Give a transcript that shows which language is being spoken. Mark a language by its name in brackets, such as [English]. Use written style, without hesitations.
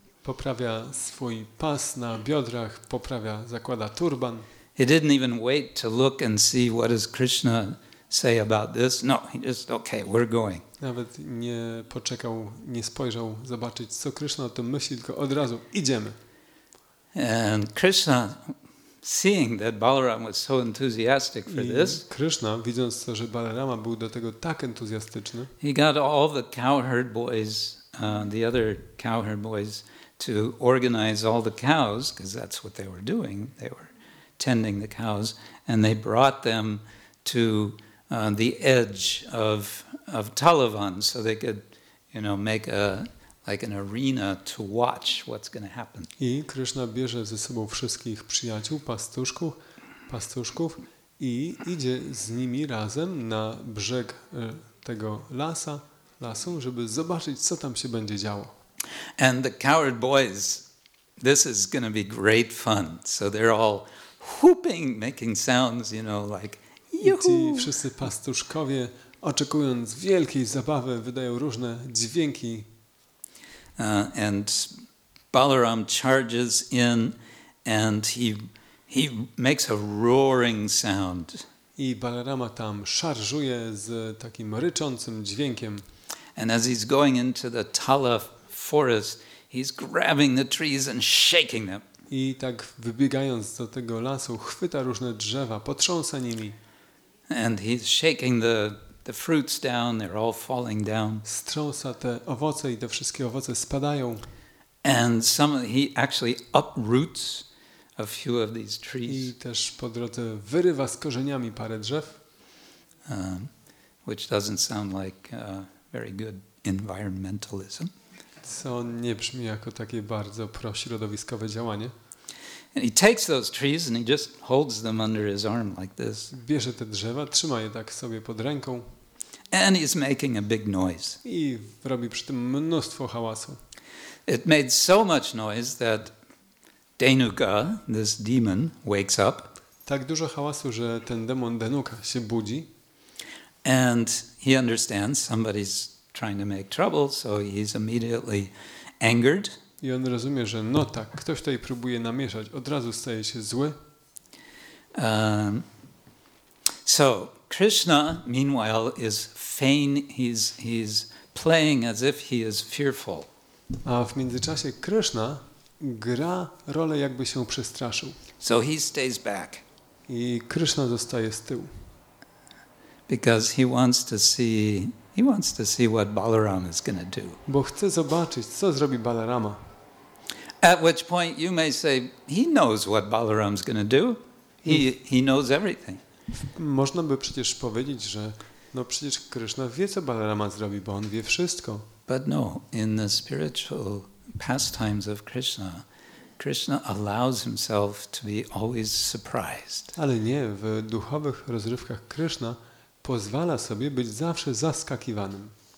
[Polish] Poprawia swój pas na biodrach, poprawia, zakłada turban. [English] He didn't even wait to look and see what does Krishna say about this. No, he just okay, we're going. [Polish] Nawet nie poczekał, nie spojrzał zobaczyć, co Krishna o tym myśli, tylko od razu idziemy. [English] And Krishna, seeing that Balaram was so enthusiastic for this, [Polish] Krishna, widząc to, że Balarama był do tego tak entuzjastyczny, [English] he got all the cowherd boys, the other cowherd boys, to organize all the cows, because that's what they were doing. They were tending the cows, and they brought them to the edge of Talavan, so they could, you know, make a like an arena to watch what's going to happen. [Polish] I Krishna bierze ze sobą wszystkich przyjaciół, pastuszków i idzie z nimi razem na brzeg tego lasu, żeby zobaczyć, co tam się będzie działo. [English] And the coward boys, this is going to be great fun. So they're all whooping, making sounds, you know, like juhu! [Polish] I wszyscy pastuszkowie, oczekując wielkiej zabawy, wydają różne dźwięki. [English] And Balaram charges in and he makes a roaring sound. [Polish] I Balarama tam szarżuje z takim ryczącym dźwiękiem. [English] And as he's going into the Tala forest, he's grabbing the trees and shaking them. [Polish] I tak wybiegając do tego lasu, chwyta różne drzewa, potrząsa nimi. [English] And he's shaking the fruits down, they're all falling down. [Polish] Strząsa te owoce i te wszystkie owoce spadają. [English] And he actually uproots a few of these trees. [Polish] I też po drodze wyrywa z korzeniami parę drzew. [English] Which doesn't sound like very good environmentalism. [Polish] Co nie brzmi jako takie bardzo prośrodowiskowe działanie. [English] And he takes those trees and he just holds them under his arm like this. [Polish] Bierze te drzewa, trzyma je tak sobie pod ręką. [English] And he's making a big noise. [Polish] I robi przy tym mnóstwo hałasu. [English] It made so much noise that Denuka, this demon, wakes up. [Polish] Tak dużo hałasu, że ten demon Denuka się budzi. [English] And he understands somebody's trying to make trouble, so he's immediately angered. [Polish] I on rozumie, że no tak, ktoś tutaj próbuje namieszać, od razu staje się zły. [English] So Krishna meanwhile is feign, he's playing as if he is fearful. [Polish] A w międzyczasie Krishna gra rolę, jakby się przestraszył. [English] So he stays back. [Polish] I Krishna zostaje z tyłu. [English] Because he wants to see what Balaram is going to do. [Polish] Bo chce zobaczyć, co zrobi Balarama. [English] At which point you may say he knows what Balaram's going to do. He knows everything. [Polish] Można by przecież powiedzieć, że no przecież Krishna wie, co Balarama zrobi, bo on wie wszystko. [English] But no, in the spiritual pastimes of Krishna, Krishna allows himself to be always surprised. [Polish] Ale nie, w duchowych rozrywkach Krishna pozwala sobie być zawsze zaskakiwanym.